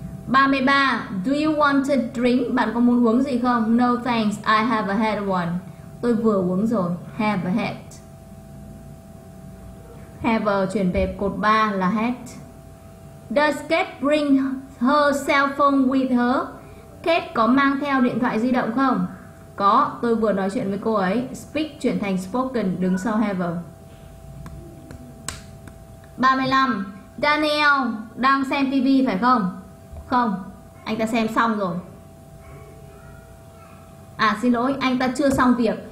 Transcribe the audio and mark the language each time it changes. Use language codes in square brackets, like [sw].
[en] 33. Do you want a drink? [vi] Bạn có muốn uống gì không? [en] No thanks, I have had one. [vi] Tôi vừa uống rồi. [en] Have had. [vi] Have chuyển về cột 3 là had. [en] Does Kate bring her cell phone with her? [vi] Kate có mang theo điện thoại di động không? Có, tôi vừa nói chuyện với cô ấy. Speak chuyển thành spoken, đứng sau have. 35. Daniel đang xem TV phải không? Không, anh ta xem xong rồi. À xin lỗi, anh ta chưa xong việc.